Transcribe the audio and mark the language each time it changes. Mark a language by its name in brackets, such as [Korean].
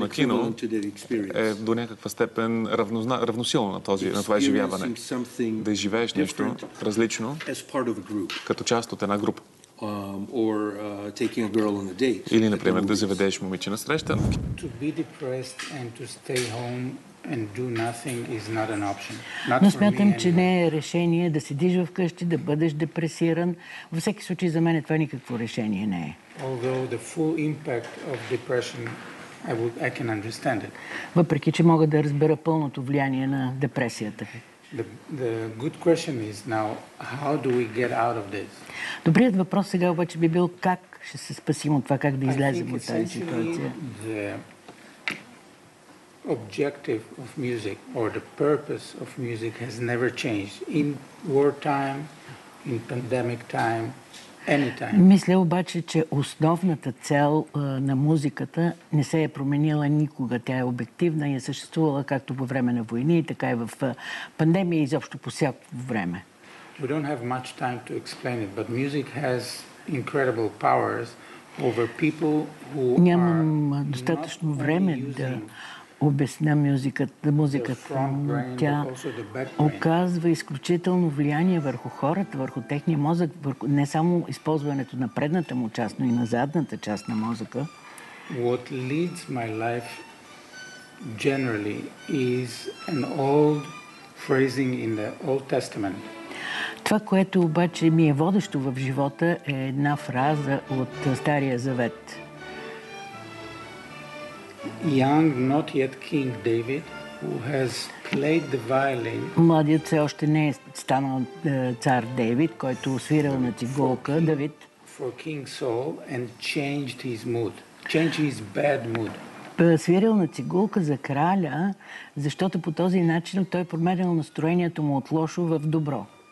[Bulgarian] на кино е до някаква степен равносилно на този, на това изживяване. Да изживееш нещо различно като част от една група. [English] Taking a girl on a date. [Bulgarian] Или, например, да заведеш момиче на среща. [English] To be depressed and to stay home and do nothing is not an option. [Bulgarian] Но смятам, че не е решение да седиш вкъщи, да бъдеш депресиран. Във всеки случай за мен това никакво решение не е. [English] Although the full impact of depression, I can understand it. [Bulgarian] Въпреки че мога да разбера пълното влияние на депресията. [English] The good question is now, how do we get out of this? [Bulgarian] Добрият въпрос сега обаче би бил как ще се спасим от това, как да излезем от тази ситуация. [English] The objective of music or the purpose of music has never changed in wartime, in pandemic time, anytime. [Bulgarian] Мисля обаче, че основната цел на музиката не се е променила никога. Тя е обективна и е съществувала както по време на войни, така и в пандемия и изобщо по всяко време. [English] We don't have much time to explain it, but music has incredible powers over people who are. [Bulgarian] Нямам достатъчно време да обясня музиката. Тя оказва изключително влияние върху хората, върху техния мозък, върху не само използването на предната му част, но и на задната част на мозъка. [English] What leads my life generally is an old phrasing in the Old Testament. [Bulgarian] Това, което обаче ми е водещо в живота, е една фраза от Стария Завет. [English] Young, not yet King David, who has played the violin. [Bulgarian] Младият все още не е станал цар Давид, който свирил на цигулка, Давид. [English] For King Saul and changed his mood. Changed his bad mood. [Bulgarian] Свирил на цигулка за краля, защото по този начин той променил настроението му от лошо в добро.